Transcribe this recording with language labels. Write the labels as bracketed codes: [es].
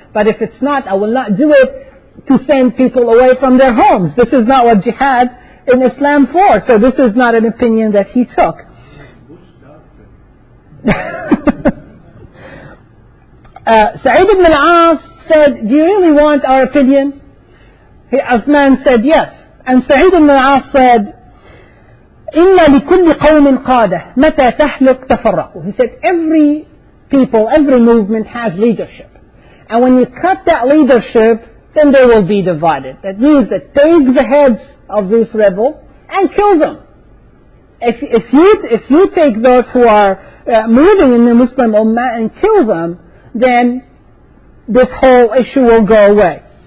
[en] But if it's not, I will not do it to send people away from their homes. This is not what jihad in Islam for. So this is not an opinion that he took. Sa'id ibn al-As said, do you really want our opinion? Uthman said, yes. And Sa'id ibn al-As said, [ar] إِنَّ لِكُلِّ قَوْمٍ قَادَةٍ مَتَى تَحْلُقْ تَفَرَّقُ. [en] He said, every people, every movement has leadership. And when you cut that leadership, then they will be divided. That means that take the heads of this rebel and kill them. If you take those who are moving in the Muslim Ummah and kill them, then this whole issue will go away.